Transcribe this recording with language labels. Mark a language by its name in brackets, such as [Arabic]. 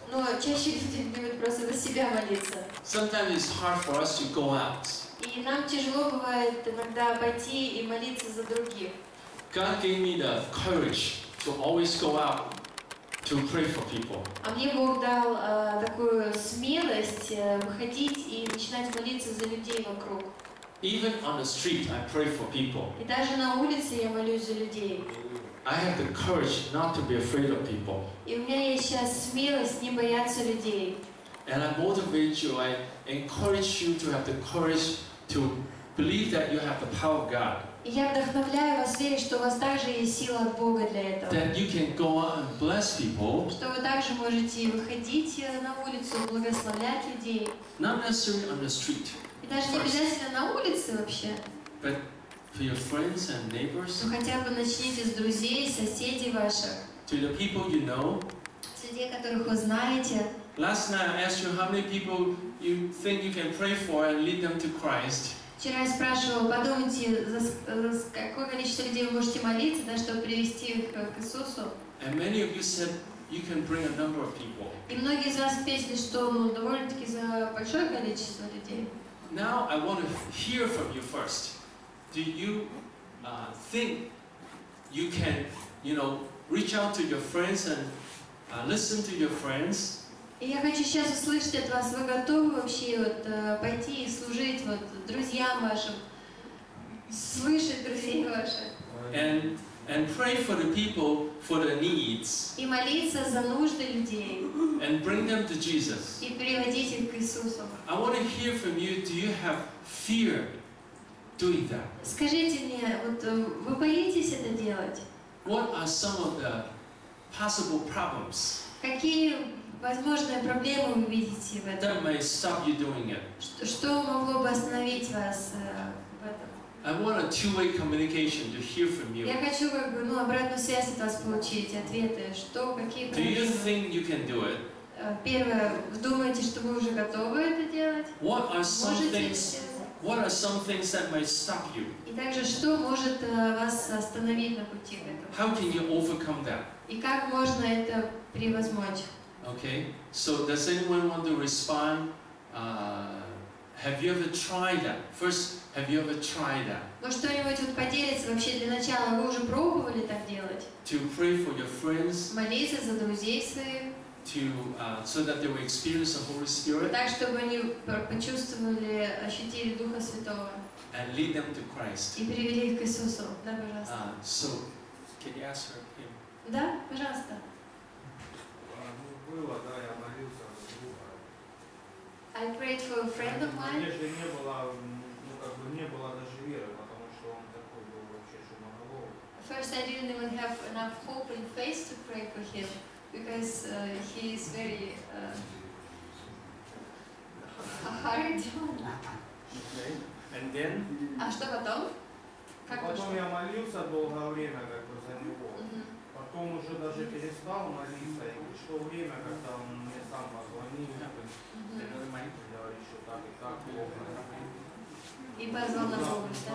[Russian] Но чаще люди любят просто за себя молиться. [English] Sometimes it's hard for us to go out. [Russian] И нам тяжело бывает иногда пойти и молиться за других. [English] God gave me the courage to always go out to pray for people. [Russian] А мне Бог дал такую смелость выходить и начинать молиться за людей вокруг. [English] Even on the street, I pray for people. [Russian] И даже на улице я молюсь за людей. [English] I have the courage not to be afraid of people. [Russian] И у меня есть сейчас смелость не бояться людей. [English] And I motivate you, I encourage you to have the courage to believe that you have the power of God. [Russian] И я вдохновляю вас верить, что у вас также есть сила от Бога для этого. [English] That you can go out and bless people. [Russian] Что вы также можете выходить на улицу, благословлять людей. [English] Not necessarily on the street. [Russian] И даже не обязательно на улице вообще. [English] But for your friends and neighbors. [Russian] Ну хотя бы начните с друзей, соседей ваших. [English] To the people you know. [Russian] С людей, которых вы знаете. [English] Last night I asked you how many people you think you can pray for and lead them to Christ. [Russian] Вчера я спрашивала, подумайте, за какое количество людей вы можете молиться, да, чтобы привести их к Иисусу. [English] And many of you said you can bring a number of people. [Russian] И многие из вас ответили, что довольно-таки за большое количество людей. [English] Now I want to hear from you first. Do you think you can, you know, reach out to your friends and listen to your friends? [Russian] Я хочу сейчас услышать от вас, вы готовы вообще вот пойти и служить вот друзьям вашим, слышать друзей ваших? [English] And pray for the people for their needs. [Russian] И молиться за нужды людей. [English] And bring them to Jesus. [Russian] И приводить их к Иисусу. [English] I want to hear from you. Do you have fear doing that? [Russian] Скажите мне, вот вы боитесь это делать? [English] What are some of the possible problems? [Russian] Какие возможные проблемы вы видите в этом? [English] That may stop you doing it. [Russian] Что могло бы остановить вас? [English] I want a two-way communication to hear from you. [Russian] Я хочу обратную связь от вас получить, ответы, что, какие проблемы. [English] Do you think you can do it? [Russian] Первое, думаете, что вы уже готовы это делать? [English] What are some things? What are some things that might stop you? [Russian] И также, что может вас остановить на пути к этому? [English] How can you overcome that? [Russian] И как можно это превозмочь? [English] Okay. So does anyone want to respond? Have you ever tried that? First, have you ever tried that? [Russian] Ну что-нибудь вот поделиться вообще для начала. Вы уже пробовали так делать? [English] To pray for your friends. [Russian] Молиться за друзей своих. [English] So that they will experience the Holy Spirit. [Russian] Так чтобы они почувствовали, ощутили Духа Святого. [English] And lead them to Christ. [Russian] И привели их к Иисусу. Да, пожалуйста. [English] So, can you ask her him? [Russian] Да, пожалуйста. Было, да, я молился. [English] I prayed for a friend of mine. [Russian] Конечно, не было, ну как бы не было даже веры, потому что он такой был вообще шумоголовый. [English] First, I didn't even have enough hope and faith to pray for him because he is very hard. Okay. And then? [Russian] А что потом? Как потом я молился долгое время как бы за него. Потом уже даже перестал молиться, и пришло время, когда он мне сам позвонил, я говорю, я еще так и так, плохо. И позвал на помощь, да?